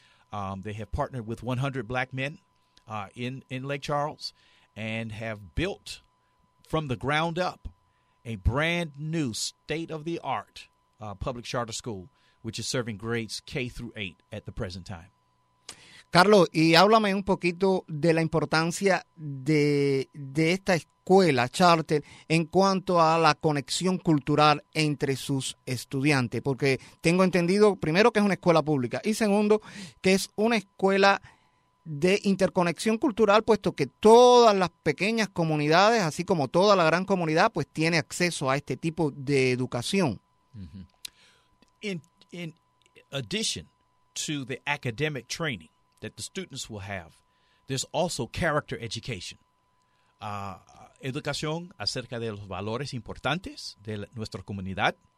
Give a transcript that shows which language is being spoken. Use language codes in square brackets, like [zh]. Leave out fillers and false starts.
[en] They have partnered with 100 black men in Lake Charles and have built from the ground up a brand new state-of-the-art public charter school, which is serving grades K through 8 at the present time. [es] Carlos, y háblame un poquito de la importancia de esta escuela charter en cuanto a la conexión cultural entre sus estudiantes, porque tengo entendido, primero, que es una escuela pública, y segundo, que es una escuela de interconexión cultural, puesto que todas las pequeñas comunidades, así como toda la gran comunidad, pues tiene acceso a este tipo de educación. Mm-hmm. [en] In addition to the academic training that the students will have, there's also character education. [es] Educación acerca de los valores importantes de nuestra comunidad.